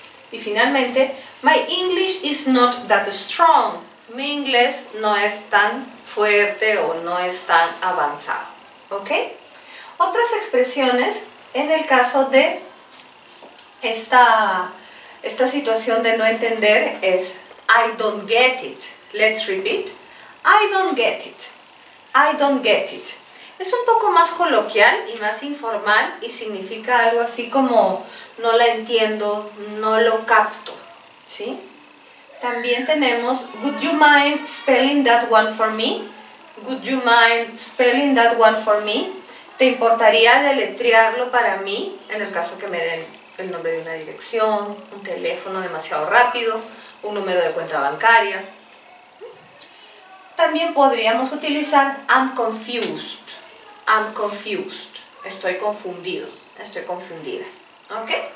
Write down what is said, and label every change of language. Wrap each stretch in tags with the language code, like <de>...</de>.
<es>Y finalmente,</es> <en>my English is not that strong.</en> <es>Mi inglés no es tan fuerte o no es tan avanzado.</es> <en>¿Ok?</en> <es>Otras expresiones en el caso de esta situación de no entender es,</es> <en>I don't get it. Let's repeat. I don't get it. I don't get it.</en> <es>Es un poco más coloquial y más informal y significa algo así como no la entiendo, no lo capto. ¿Sí? También tenemos,</es> <en>would you mind spelling that one for me? Would you mind spelling that one for me?</en> <es>¿Te importaría deletrearlo para mí en el caso que me den el nombre de una dirección, un teléfono demasiado rápido, un número de cuenta bancaria? También podríamos utilizar</es> <en>I'm confused. I'm confused.</en> <es>Estoy confundido. Estoy confundida. ¿Ok?</es>